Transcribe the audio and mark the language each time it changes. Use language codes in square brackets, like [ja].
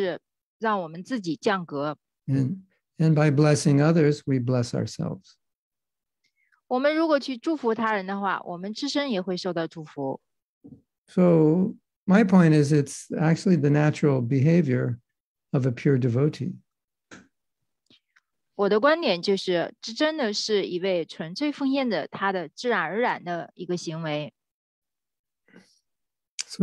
[zh] 但是呢，如果我们为伤害我们的人试图想要去惩罚他们，那么呢，这就是让我们自己降格。 [en] And by blessing others, we bless ourselves. [zh] 我们如果去祝福他人的话，我们自身也会受到祝福。 [en] So my point is, it's actually the natural behavior of a pure devotee. [zh] 我的观点就是，这真的是一位纯粹奉献者他的自然而然的一个行为。 [en] So